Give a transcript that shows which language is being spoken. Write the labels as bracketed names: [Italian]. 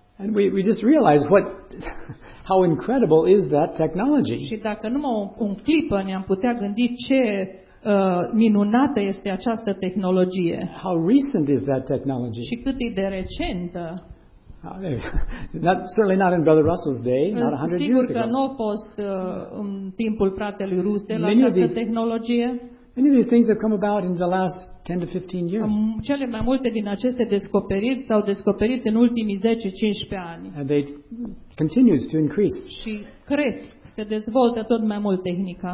[English] And we just realize how incredible is that technology. [Romanian] Și dacă numai un clipă ne-am putea gândi ce minunată este această tehnologie. [English] How recent is that technology? [Romanian] Și cât de recentă. [English] Not, certainly not in Brother Russell's day, not 100 [Romanian] sigur [English] years ago. [Romanian] Sigur că nu post în timpul fratelui Russell această tehnologie. [English] Many of these things have come about in the last 10 to 15 years. [Romanian] Cele mai multe din aceste descoperiri s-au descoperit în ultimii 10-15 ani. [English] And they continues to increase. [Romanian] Și cresc, se dezvoltă tot mai mult tehnica.